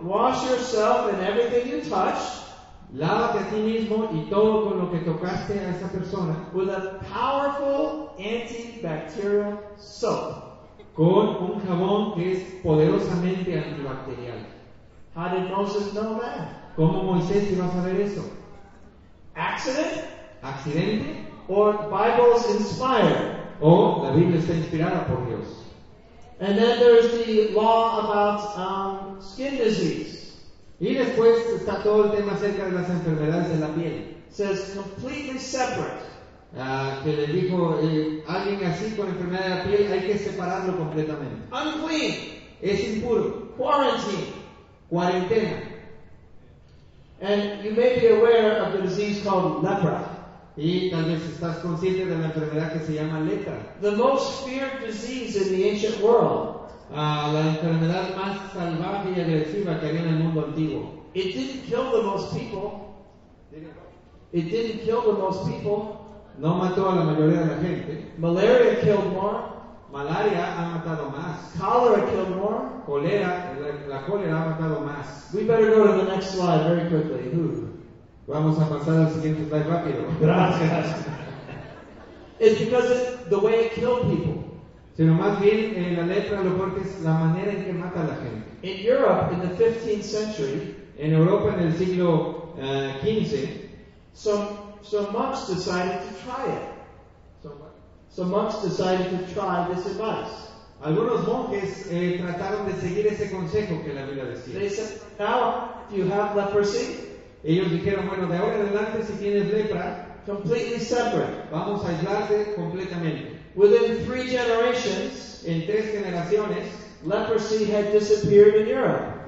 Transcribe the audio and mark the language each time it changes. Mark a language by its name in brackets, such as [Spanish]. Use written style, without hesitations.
[English] Wash yourself and everything you touch. [Spanish] Lávate a ti mismo y todo con lo que tocaste a esa persona. [English] With a powerful antibacterial soap. [Spanish] Con un jabón que es poderosamente antibacterial. [English] How did Moses know that? [Spanish] ¿Cómo Moisés iba a saber eso? [English] Accident? [Spanish] ¿Accidente? [English] Or Bible's inspired? [Spanish] O la Biblia está inspirada por Dios. [English] And then there's the law about skin disease. [Spanish] Y después está todo el tema acerca de las enfermedades de la piel. [English] Says completely separate. [Spanish] Que le dijo alguien así con enfermedad de la piel hay que separarlo completamente. [English] Unclean. [Spanish] Es impuro. [English] Quarantine. [Spanish] Cuarentena. [English] And you may be aware of the disease called lepra. [Spanish] Y tal vez estás consciente de la enfermedad que se llama lepra. [English] The most feared disease in the ancient world. [Spanish] La enfermedad más salvaje y agresiva que había en el mundo antiguo. [English] It didn't kill the most people. It didn't kill the most people. [Spanish] No mató a la mayoría de la gente. [English] Malaria killed more. [Spanish] Malaria ha matado más. [English] Cholera killed more. [Spanish] Cólera, la cólera ha matado más. [English] We better go to the next slide very quickly. [Spanish] Vamos a pasar al siguiente slide rápido. Gracias. [English] It's because it's the way it killed people. [Spanish] Sino más bien la lepra lo porque es la manera en que mata a la gente. [English] In Europe, in the 15th century. [Spanish] En Europa en el siglo 15. [English] Some monks decided to try it. Some monks decided to try this advice. [Spanish] Algunos monjes trataron de seguir ese consejo que la Biblia decía. [English] They said, now, if you have leprosy, [Spanish] ellos dijeron, bueno, de ahora en adelante, si tienes lepra, [English] completely separate. [Spanish] Vamos a aislarte completamente. [English] Within three generations, [Spanish] en tres generaciones, [English] leprosy had disappeared in Europe.